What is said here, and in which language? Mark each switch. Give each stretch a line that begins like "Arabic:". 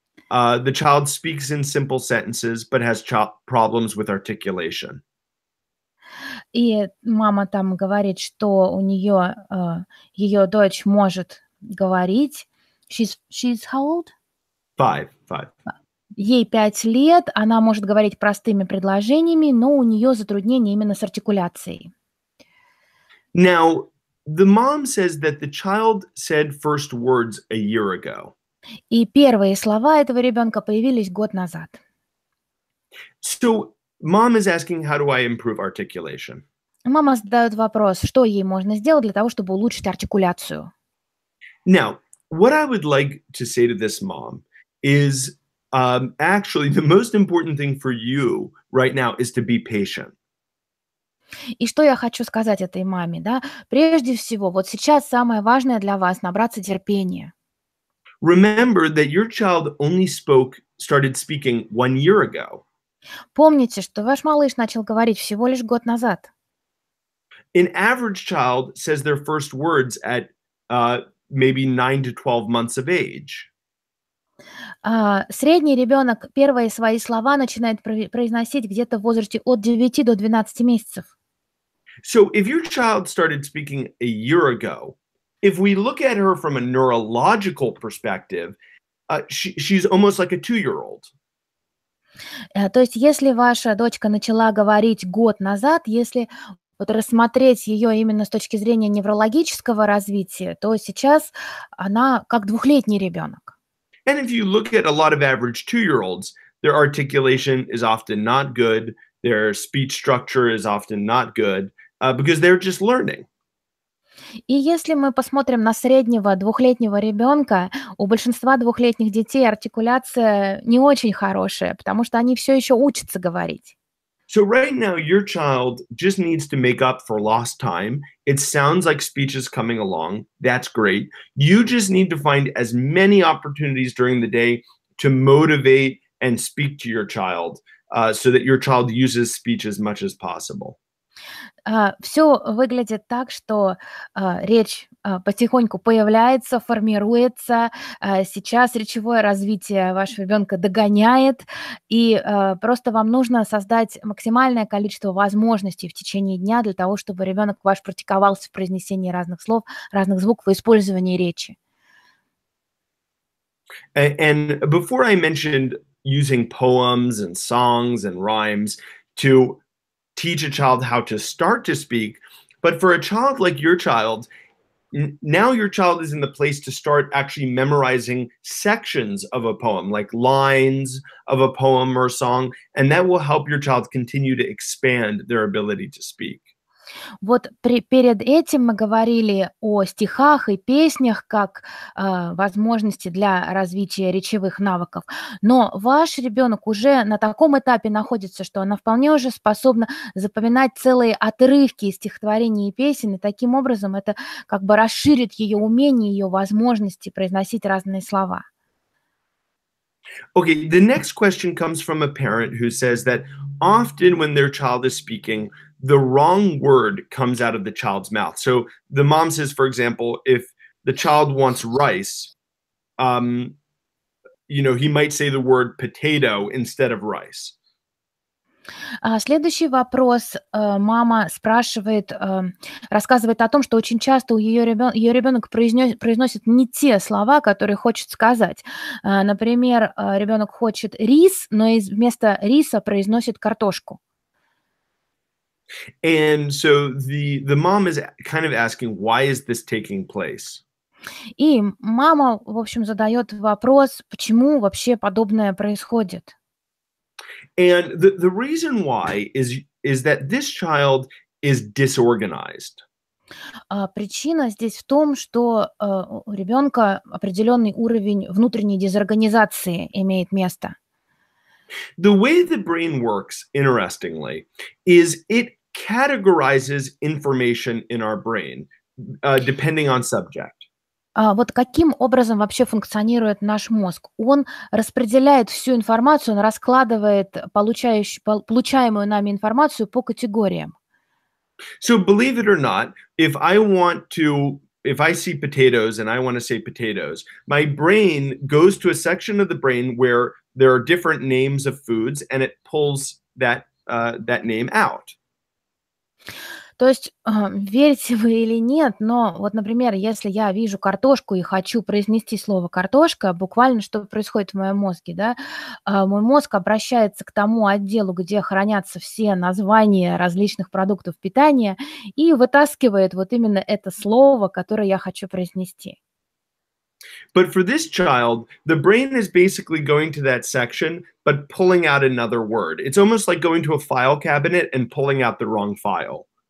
English: The child speaks in simple sentences, but has problems with articulation.
Russian: И мама там говорит, что у нее ее дочь может говорить.
English: She's how old? Five.
Russian: Ей 5 лет. Она может говорить простыми предложениями, но у нее затруднения именно с артикуляцией.
English: Now. The mom says that the child said first words a year ago.
Russian: И первые слова этого ребенка появились год назад.
English: So, mom is asking, how do I improve articulation?
Russian: Мама задает вопрос, что ей можно сделать для того, чтобы улучшить артикуляцию.
English: Now, what I would like to say to this mom is, actually, the most important thing for you right now is to be patient.
Russian: И что я хочу сказать этой маме, да? Прежде всего, вот сейчас самое важное для вас — набраться терпения.
English: Remember that your child only started speaking 1 year ago.
Russian: Помните, что ваш малыш начал говорить всего лишь год назад.
English: An average child says their first words at maybe 9 to 12 months of age.
Russian: Средний ребенок первые свои слова начинает произносить где-то в возрасте от 9 до 12 месяцев.
English: So if your child started speaking a year ago, if we look at her from a neurological perspective, she's almost like a 2-year-old.
Russian: То есть если ваша дочка начала говорить год назад, если вот рассмотреть ее именно с точки зрения неврологического развития, то сейчас она как двухлетний ребенок.
English: And if you look at a lot of average 2-year-olds, their articulation is often not good, their speech structure is often not good. Because they're just learning.
Russian: И если мы посмотрим на среднего двухлетнего ребенка, у большинства двухлетних детей артикуляция не очень хорошая, потому что они все еще учатся говорить.
English: So right now your child just needs to make up for lost time. It sounds like speech is coming along. That's great. You just need to find as many opportunities during the day to motivate and speak to your child, so that your child uses speech as much as possible.
Russian: Все выглядит так, что речь потихоньку появляется, формируется. Сейчас речевое развитие вашего ребенка догоняет, и просто вам нужно создать максимальное количество возможностей в течение дня для того, чтобы ребенок ваш практиковался в произнесении разных слов, разных звуков и использовании речи.
English: And before I mentioned using poems and songs and rhymes to teach a child how to start to speak, but for a child like your child, now your child is in the place to start actually memorizing sections of a poem, like lines of a poem or song, and that will help your child continue to expand their ability to speak.
Russian: Вот перед этим мы говорили о стихах и песнях как возможности для развития речевых навыков. Но ваш ребенок уже на таком этапе находится, что она вполне уже способна запоминать целые отрывки стихотворений и песен, и таким образом это как бы расширит ее умение, ее возможности произносить разные слова.
English: Okay, the next question comes from a parent who says that often when their child is speaking, the wrong word comes out of the child's mouth. So the mom says, for example, if the child wants rice, you know, he might say the word potato instead of rice.
Russian: Следующий вопрос. Мама спрашивает, рассказывает о том, что очень часто у ее ребенок произносит не те слова, которые хочет сказать. Например, ребенок хочет рис, но вместо риса произносит картошку.
English: And so the mom is kind of asking, why is this taking place?
Russian: И мама, в общем, задает вопрос, почему вообще подобное происходит.
English: And the reason why is that this child is disorganized.
Russian: Причина здесь в том, что у ребенка определенный уровень внутренней дезорганизации имеет место.
English: The way the brain works, interestingly, is it categorizes information in our brain, depending on subject.
Russian: Вот каким образом вообще функционирует наш мозг? Он распределяет всю информацию, он раскладывает получаемую нами информацию по категориям.
English: So believe it or not, if I see potatoes and I want to say potatoes, my brain goes to a section of the brain where there are different names of foods and it pulls that name out.
Russian: То есть, верите вы или нет, но вот, например, если я вижу картошку и хочу произнести слово «картошка», буквально что происходит в моем мозге, да, мой мозг обращается к тому отделу, где хранятся все названия различных продуктов питания, и вытаскивает вот именно это слово, которое я хочу произнести.
English: But for this child, the brain is basically going to that section, but pulling out another word. It's almost like going to a file cabinet and pulling out the wrong file.